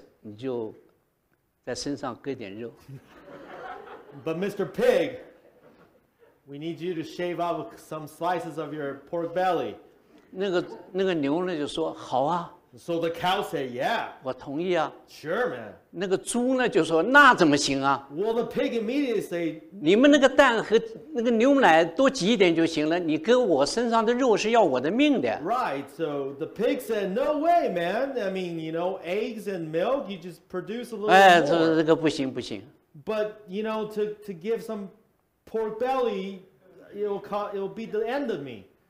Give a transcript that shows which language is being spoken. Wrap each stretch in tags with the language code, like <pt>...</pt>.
<zh>这个猪二哥，你就在身上割点肉。</zh> <en>But Mr. Pig, we need you to shave off some slices of your pork belly.</en> <zh>那个牛呢就说好啊。</zh> <en>So the cow said, yeah.</en> <zh>我同意啊。</zh> <en>Sure, man.</en> <zh>那个猪呢就说那怎么行啊。</zh> <en>Well, the pig immediately said,</en> <zh>你们那个蛋和那个牛奶多挤一点就行了，你割我身上的肉是要我的命的。</zh> <en>Right, so the pig said, no way, man. I mean, you know, eggs and milk, you just produce a little more.</en> <zh>哎，这个不行。</zh> <en>But, you know, to give some pork belly, it'll be the end of me.</en>